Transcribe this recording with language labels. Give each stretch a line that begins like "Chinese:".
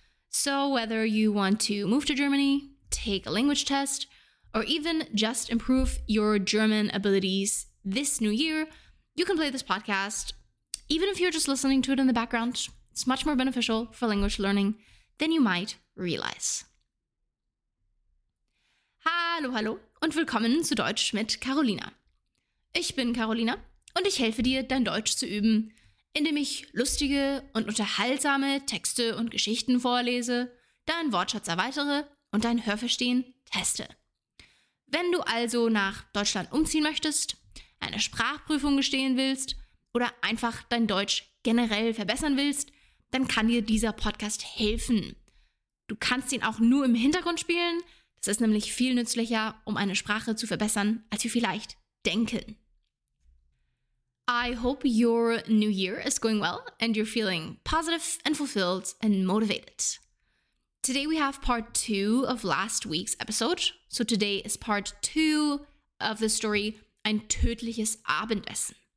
English: So whether you want to move to Germany, take a language test, or even just improve your German abilities this new year, you can play this podcast, even if you're just listening to it in the background. It's much more beneficial for language learning than you might realize.
German: Hallo, hallo und willkommen zu Deutsch mit Carolina. Ich bin Carolina und ich helfe dir, dein Deutsch zu üben, indem ich lustige und unterhaltsame Texte und Geschichten vorlese, deinen Wortschatz erweitere und dein Hörverstehen teste. Wenn du also nach Deutschland umziehen möchtest, eine Sprachprüfung bestehen willst oder einfach dein Deutsch generell verbessern willst, dann kann dir dieser Podcast helfen. Du kannst ihn auch nur im Hintergrund spielen. Das ist nämlich viel nützlicher, um eine Sprache zu verbessern, als wir vielleicht denken.
English: I hope your new year is going well and you're feeling positive and fulfilled and motivated. Today we have part 2 of last week's episode. So today is part 2 of the story Ein tödliches Abendessen.